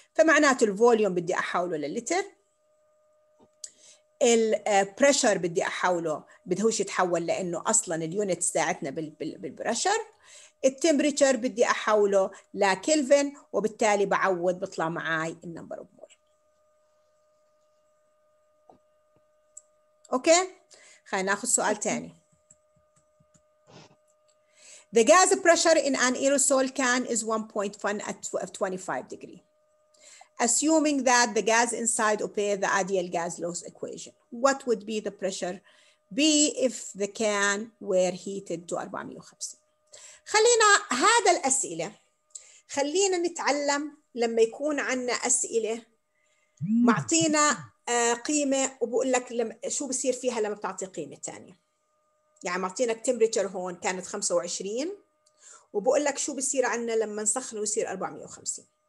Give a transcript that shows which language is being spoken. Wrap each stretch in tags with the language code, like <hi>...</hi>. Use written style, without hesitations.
<ar>فمعناته الفوليوم بدي أحوله للتر، البريشر بدي احوله بدهوش يتحول لانه اصلا اليونت ساعتنا بالبريشر، التمبريتشر بدي احوله لكلفن، وبالتالي بعوض بطلع معي النمبر اوف مول. اوكي، خلينا ناخذ سؤال ثاني.</ar> <en>The gas pressure in an aerosol can is 1.1 at 25 degree. Assuming that the gas inside obey the ideal gas loss equation, what would be the pressure be if the can were heated to 450?</en> <ar>خلينا هذا الأسئلة، خلينا نتعلم لما يكون عنا أسئلة معطينا قيمة وبقول لك شو بصير فيها لما بتعطي قيمة تانية. يعني معطينا temperature هون كانت 25 وبقول لك شو بصير عنا لما نسخنه ويصير 450.</ar>